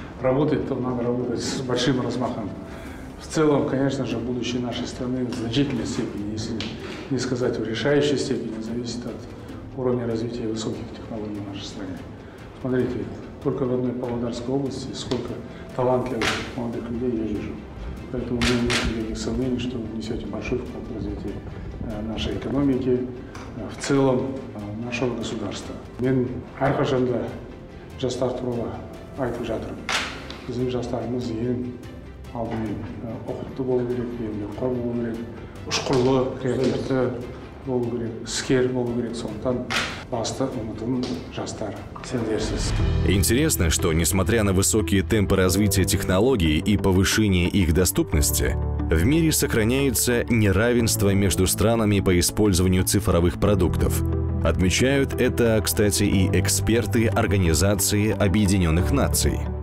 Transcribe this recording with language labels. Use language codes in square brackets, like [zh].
[ru] Работать-то надо работать с большим размахом. В целом, конечно же, будущее нашей страны в значительной степени, если не сказать в решающей степени, зависит от уровня развития высоких технологий в нашей стране. Смотрите, только в одной Павлодарской области сколько талантливых молодых людей я вижу. Поэтому мы не имеем никаких сомнений, что вы несете большой вклад в развитие нашей экономики, в целом нашего государства. [kk] Мен әрқашанда жастар туралы айтып жатырмын. Біздің жастарымыз ең алдымен оқытты болу керек, еңбекқор болу керек, ұшқырлы, [ru] креативті [kk] болу керек, іскер болу керек. Сондықтан басты ұмытым жастар. [ru] Интересно, что несмотря на высокие темпы развития технологий и повышение их доступности, в мире сохраняется неравенство между странами по использованию цифровых продуктов. Отмечают это, кстати, и эксперты Организации Объединенных Наций.